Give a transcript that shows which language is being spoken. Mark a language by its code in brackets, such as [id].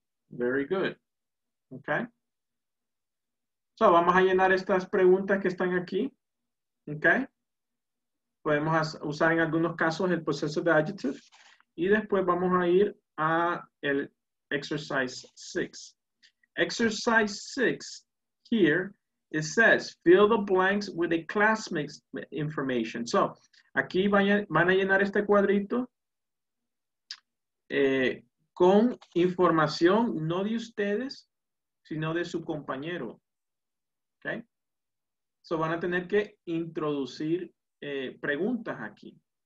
[en] Very good, okay? [es] So, vamos a llenar estas preguntas que están aquí. Ok. Podemos usar en algunos casos el possessive adjective. Y después vamos a ir a el exercise 6. [en] Exercise 6 here, it says, fill the blanks with a classmate's information. [es] So, aquí van a llenar este cuadrito con información no de ustedes, sino de su compañero. Okay. So van a tener que introducir preguntas aquí.